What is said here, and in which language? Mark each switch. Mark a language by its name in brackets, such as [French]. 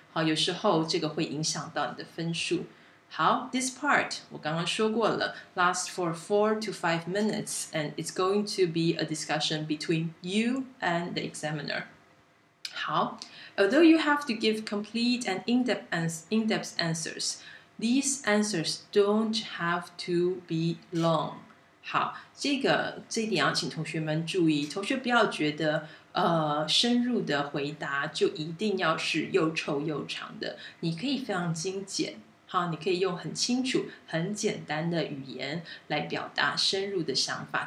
[Chinese] 好，有时候这个会影响到你的分数。 [English] 好 ，this part [Chinese] 我刚刚说过了 [English] ，last for 4 to 5 minutes， and it's going to be a discussion between you and the examiner。好 although you have to give complete and in-depth answers, these answers don't have to be long. [Chinese] 好，这一点要请同学们注意，同学不要觉得深入的回答就一定要是又臭又长的，你可以非常精简，好，你可以用很清楚很简单的语言来表达深入的想法。